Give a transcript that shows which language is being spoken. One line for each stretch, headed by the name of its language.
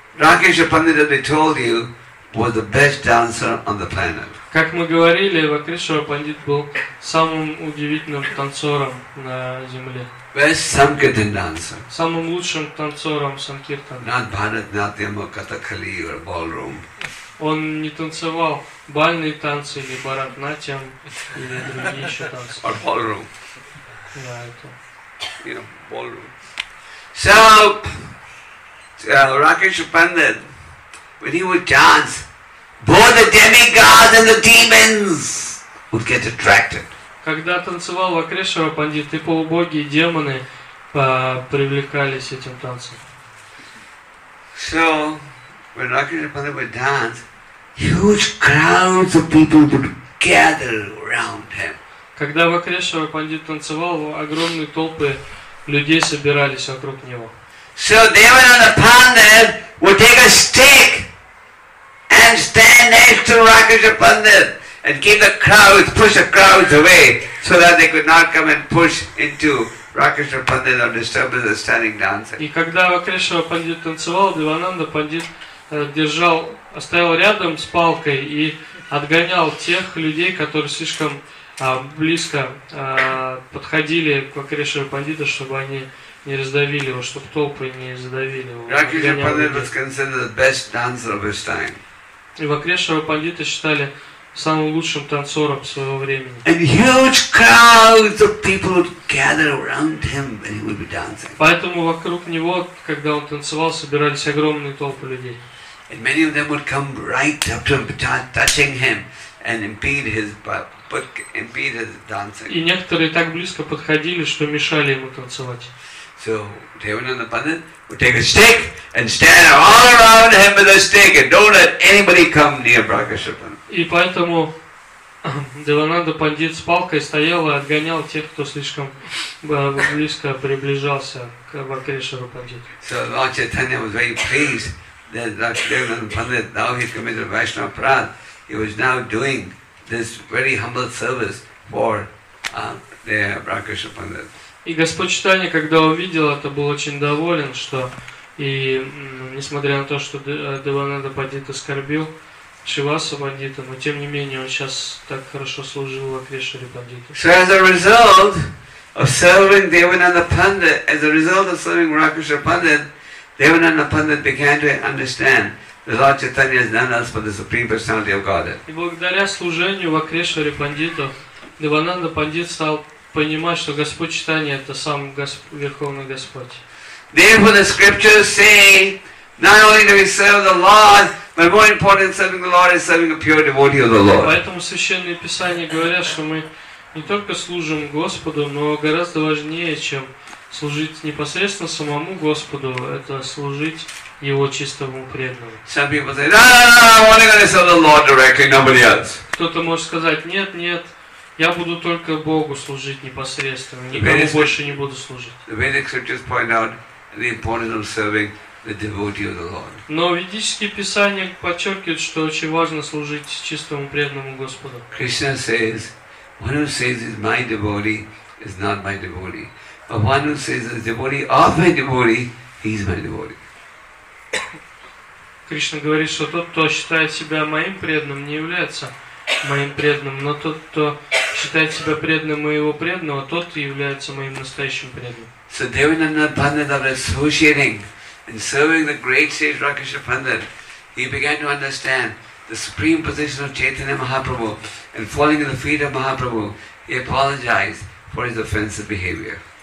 English: Rakeshwara Pandit, as we told you, was the best dancer on the planet.
Russian: Как мы говорили, Акрешвара Пандит был самым удивительным танцором на земле.
English: Best Sankirtan dancer.
Russian: Самым лучшим танцором Санкиртан.
English: Not Bharatanatyam or Kathakali or ballroom.
Russian: Он не танцевал бальные танцы или Bharatanatyam или другие еще танцы.
English: Or ballroom.
Russian: Да, это.
English: Ballroom. So, Rakeshwara Pandit, when he would dance, both the demigods and the demons would get attracted.
Russian: Когда танцевал Акрешвара Пандит, и полубоги, и демоны привлекались этим танцем.
English: So, when Rakeshwara Pandit would dance, huge crowds of people would gather around him.
Russian: Когда Акрешвара Пандит танцевал, огромные толпы людей собирались вокруг него.
English: So Devananda Pandit would take a stick and stand next to Rakeshwara Pandit and keep the crowds, push the crowds away so that they could not come and push into Rakeshwara Pandit or disturb the standing dancer.
Russian: И когда Акрешвара Пандит танцевал, Девананда Пандит держал, стоял рядом с палкой и отгонял тех людей, которые слишком близко подходили к Акрешвара Пандиту, чтобы они не раздавили его, чтобы толпы не задавили его.
English: Rakeshwara Pandit was considered the best dancer of his time.
Russian: И Акрешвара Пандита считали самым лучшим танцором своего времени.
English: And huge crowds of people would gather around him when he would be dancing.
Russian: Поэтому вокруг него, когда он танцевал, собирались огромные толпы людей.
English: And many of them would come right up to him, touching him, and impede his dancing.
Russian: И некоторые так близко подходили, что мешали ему танцевать.
English: So Devananda Pandit would take a stick and stand all around him with a stick and don't let anybody come near Rakeshwara Pandit.
Russian: И поэтому Девананда Пандит с палкой стоял и отгонял тех, кто слишком близко приближался к Акрешвару Пандиту.
English: So Lord Chaitanya was very pleased that Devananda Pandit, now he committed Vaishnava Prad, he was now doing this very humble service for Rakeshwara Pandit.
Russian: И Господь Читания, когда увидел это, был очень доволен, что и несмотря на то, что Девананда Пандит оскорбил Шривасу Пандита, но тем не менее он сейчас так хорошо служил в Акрешвара Пандита.
English: So as a result of serving Devananda Pandit, as a result of serving Rakeshwara Pandit, Devananda Pandit began to understand that Lord Chaitanya is none else but the Supreme Personality of Godhead.
Russian: И благодаря служению в Акрешвара Пандита, Девананда Пандит стал понимать, что Господь Читания это сам Верховный Господь.
English: Therefore the scriptures say, not only do we serve the Lord, but more important than serving the Lord is serving a pure devotee of the Lord.
Russian: Поэтому священные писания говорят, что мы не только служим Господу, но гораздо важнее, чем служить непосредственно самому Господу, это служить Его чистому преданному.
English: Some people say, no, only going to serve the Lord directly, nobody else.
Russian: Кто-то может сказать, нет. Я буду только Богу служить непосредственно, никому больше не буду служить.
English: The Vedic scriptures point out the importance of serving the devotee of the Lord.
Russian: Но ведические писания подчеркивают, что очень важно служить чистому преданному Господу.
English: Krishna says, one who says he's my devotee is not my devotee. But one who says the devotee of my devotee, he's my devotee.
Russian: Кришна говорит, что тот, кто считает себя моим преданным, не является моим преданным, но тот, кто считает себя преданным моего преданного, тот является моим настоящим преданным.
English: So Devananda Pandit, after associating and serving the great sage Rakesha Pandit, he began to understand the supreme position of Chaitanya Mahaprabhu, and falling at the feet of Mahaprabhu, he apologized for his offensive behavior.